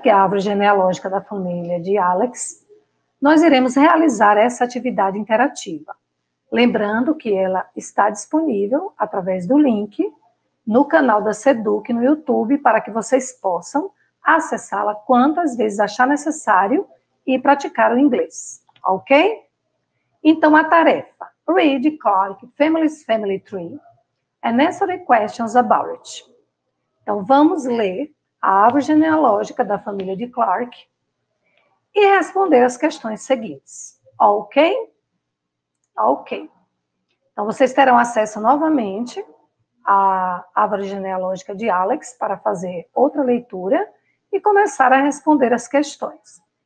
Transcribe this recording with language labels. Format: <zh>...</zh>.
<pt>Que é a árvore genealógica da família de Alex, nós iremos realizar essa atividade interativa. Lembrando que ela está disponível através do link no canal da Seduc no YouTube para que vocês possam acessá-la quantas vezes achar necessário e praticar o inglês, ok? Então, a tarefa.</pt> <en>Read Clark Family's Family Tree and answer questions about it.</en> <pt>Então, vamos ler a árvore genealógica da família de Clark e responder as questões seguintes, ok? Ok. Então, vocês terão acesso novamente à árvore genealógica de Alex para fazer outra leitura e começar a responder as questões.</pt>